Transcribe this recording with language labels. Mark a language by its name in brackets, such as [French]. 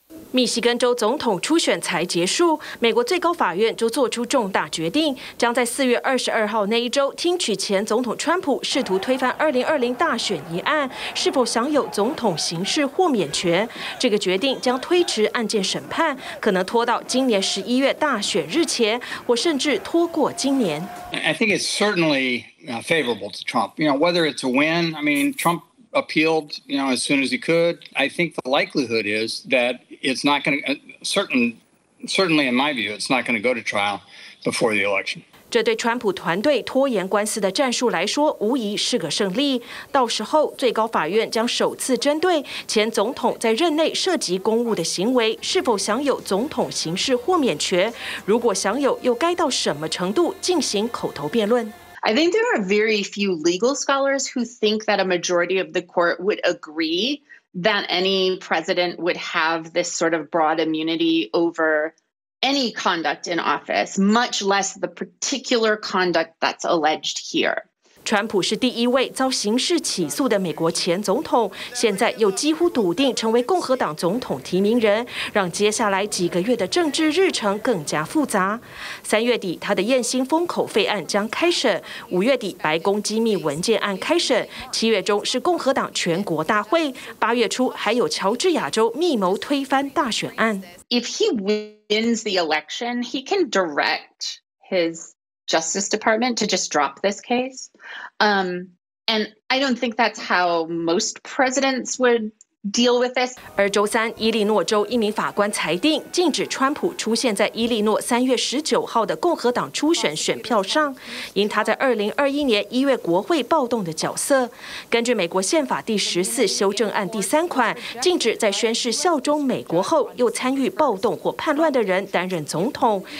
[Chinese] 密西根州总统初选才结束，美国最高法院就做出重大决定，将在4月22号那一周听取前总统川普试图推翻2020大选一案是否享有总统刑事豁免权。这个决定将推迟案件审判，可能拖到今年11月大选日前，或甚至拖过今年。 [English] I think it's certainly favorable to Trump. You know, whether it's a win, I mean, Trump appealed, you know, as soon as he could. I think the likelihood is that. It's not going to, certainly in my view, it's not going to go to trial before the election. [Chinese] 这对川普团队拖延官司的战术来说无疑是个胜利。到时候最高法院将首次针对前总统在任内涉及公务的行为是否享有总统刑事豁免权，如果享有又该到什么程度进行口头辩论。 [English] I think there are very few legal scholars who think that a majority of the court would agreeThat any president would have this sort of broad immunity over any conduct in office, much less the particular conduct that's alleged here. [Chinese] 川普是第一位遭刑事起诉的美国前总统，现在又几乎笃定成为共和党总统提名人，让接下来几个月的政治日程更加复杂。三月底，他的焰星封口费案将开审；五月底，白宫机密文件案开审；七月中是共和党全国大会；八月初还有乔治亚州密谋推翻大选案。 [English] If he wins the election, he can direct his Justice Department to just drop this case. And I don't think that's how most presidents would deal with this. [Chinese] 而周三，伊利诺州一名法官裁定禁止川普出现在伊利诺3月19号的共和党初选选票上，因他在2021年1月国会暴动的角色。根据美国宪法第14修正案第3款，禁止在宣誓效忠美国后又参与暴动或叛乱的人担任总统。